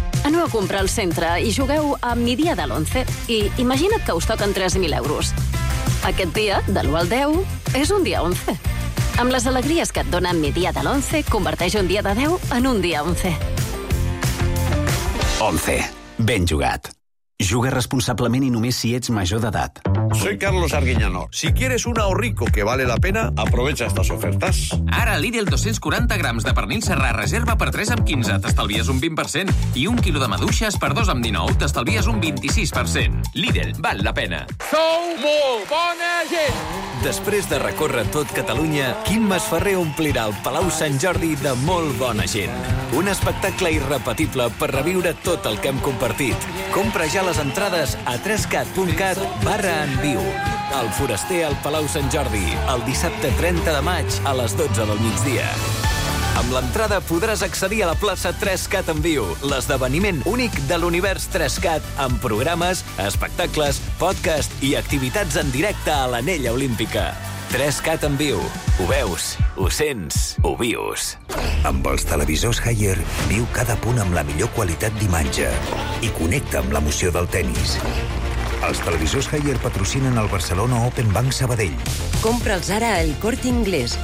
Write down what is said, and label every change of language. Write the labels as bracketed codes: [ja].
[ca] Aneu a comprar al centre i jugueu a Mi dia de l'11 i imagina't que us toquen 3.000 euros. Aquest dia, de l'1 al 10, és un dia 11. Amb les alegries que et dona Mi dia de l'11, converteix un dia de 10 en un dia 11. 11. Ben jugat. Juga responsablement i només si ets major d'edat. [es] Soy Carlos Arguiñano. Si quieres un ahorrico que vale la pena, aprovecha estas ofertas. [ca] Ara a Lidl 240 grams de pernil serrà reserva per 3,15. T'estalvies un 20%. I un quilo de maduixes per 2,19. T'estalvies un 26%. Lidl, val la pena. Sou molt bona gent! Després de recórrer tot Catalunya, Quim Masferrer omplirà el Palau Sant Jordi de molt bona gent. Un espectacle irrepetible per reviure tot el que hem compartit. Compra ja les entrades a 3cat.cat/enviu. El Foraster al Palau Sant Jordi, el dissabte 30 de maig a les 12 del migdia. Amb l'entrada podràs accedir a la plaça 3cat en viu, l'esdeveniment únic de l'univers 3cat, amb programes, espectacles, podcast i activitats en directe a l'anella olímpica. 3cat en viu. Ho veus, ho sents, ho vius. Amb els televisors Haier, viu cada punt amb la millor qualitat d'imatge i connecta amb l'emoció del tennis. Els televisors Haier patrocinen el Barcelona Open Bank Sabadell. Compra'ls ara al Corte Inglés.